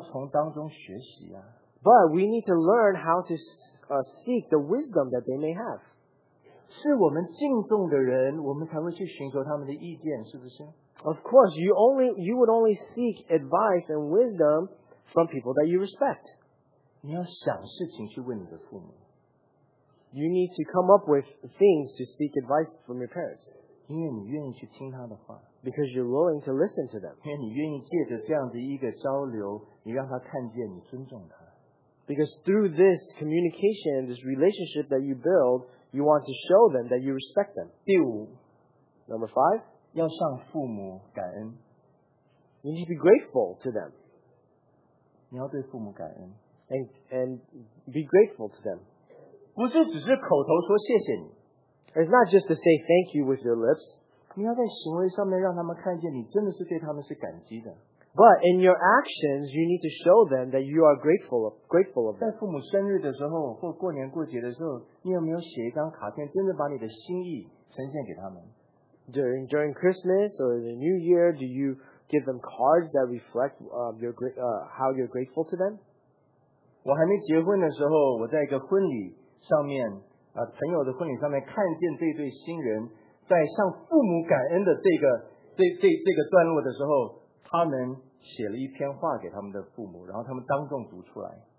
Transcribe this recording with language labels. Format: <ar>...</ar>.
<zh>在他们的智慧里面，我们要从当中学习啊。</zh> <en>But we need to learn how to seek the wisdom that they may have.</en> <zh>是我们敬重的人，我们才会去寻求他们的意见，是不是？</zh> <en>Of course, you would only seek advice and wisdom from people that you respect.</en> <zh>你要想事情去问你的父母。</zh> <en>You need to come up with things to seek advice from your parents.</en> <zh>因为你愿意去听他的话。</zh> <en>Because you're willing to listen to them.</en> <zh>因为你愿意借着这样的一个交流，你让他看见你尊重他。</zh> <en>Because through this communication, this relationship that you build, you want to show them that you respect them.</en> <zh>第五,</zh> <en>number five,</en> <zh>要向父母感恩。</zh> <en>You need to be grateful to them.</en> <zh>你要对父母感恩。</zh> <en>And be grateful to them.</en> <zh>不是只是口头说谢谢你。</zh> <en>It's not just to say thank you with your lips.</en> <zh>你要在行为上面让他们看见你真的是对他们是感激的。</zh> <en>But in your actions, you need to show them that you are grateful of them.</en> <zh>在父母生日的时候或过年过节的时候，你有没有写一张卡片，真的把你的心意呈现给他们？</zh> <en>During Christmas or the New Year, do you give them cards that reflect how you're grateful to them?</en> <zh>我还没结婚的时候，我在一个婚礼上面，朋友的婚礼上面看见这对新人在向父母感恩的这个段落的时候，他们写了一篇话给他们的父母，然后他们当众读出来。</zh>